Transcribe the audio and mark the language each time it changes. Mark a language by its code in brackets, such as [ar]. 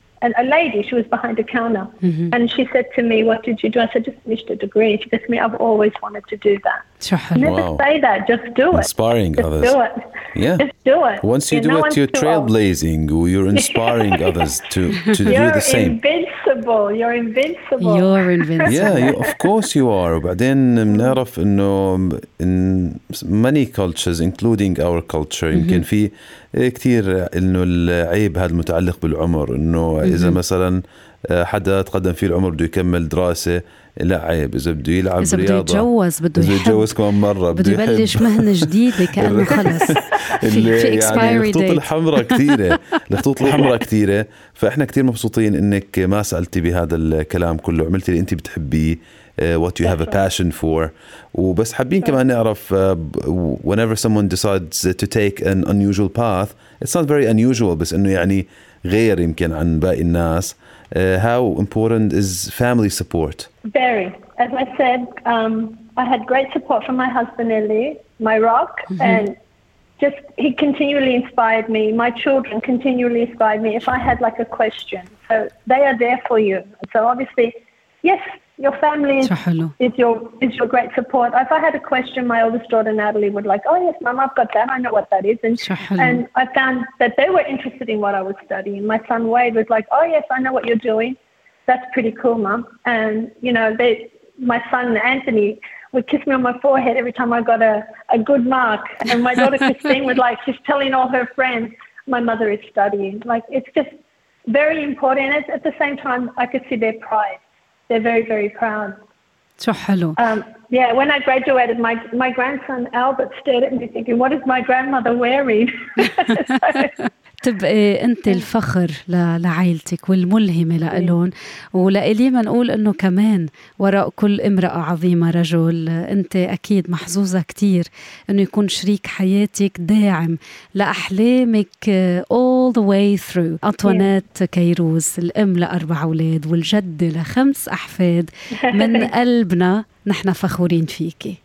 [en] And a lady, she was behind the counter, and she said to me, what did you do? I said, just finished a degree. She said to me, I've always wanted to do that. [ar] شو حلو. [en] Never wow. say that. Just do it. Inspiring just others. Do it. Yeah. Just do it. Once you do it, you're trailblazing. You're inspiring others to do the same. You're invincible. Yeah, of course you are. [ar] وبعدين بنعرف إنه [en] in many cultures, including our culture, [ar] يمكن في كتير إنه العيب هذا المتعلق بالعمر إنه إذا مثلا حدا تقدم فيه العمر بده يكمل دراسة لا عيب إذا بده يلعب رياضة إذا بده يتجوز بده يتجوز كمان مرة بده يبلش مهنة جديدة كأنه خلص في [en] expiry date [ar] الخطوط الحمراء كثيرة الخطوط الحمراء كثيرة فإحنا كتير مبسوطين إنك ما سألتي بهذا الكلام كله عملتي اللي أنت بتحبيه [en] what you have a passion for [ar] وبس حابين كمان نعرف [en] whenever someone decides to take an unusual path it's not very unusual [ar] بس إنه يعني غير يمكن عن باقي الناس [en] how important is family support? Very. As I said, I had great support from my husband, Eli, my rock, and just he continually inspired me. My children continually inspired me if I had like a question. So they are there for you. So obviously, yes, your family is your great support. If I had a question, my oldest daughter, Natalie, would like, oh, yes, Mom, I've got that. I know what that is. And I found that they were interested in what I was studying. My son, Wade, was like, oh, yes, I know what you're doing. That's pretty cool, Mom. And, you know, my son, Anthony, would kiss me on my forehead every time I got a good mark. And my daughter, Christine, would like, she's telling all her friends, my mother is studying. Like, it's just very important. And at the same time, I could see their pride. They're very, very proud. So hello. Yeah, when I graduated, my grandson Albert stared at me thinking, what is my grandmother wearing? [ar] تبقى أنت الفخر لعائلتك والملهمة لألون ولإلي ما نقول أنه كمان وراء كل امرأة عظيمة رجل أنت أكيد محظوظة كتير أنه يكون شريك حياتك داعم لأحلامك [en] all the way through [ar] أطوانات كيروز الأم لأربع أولاد والجدة لخمس أحفاد من قلبنا نحن فخورين فيك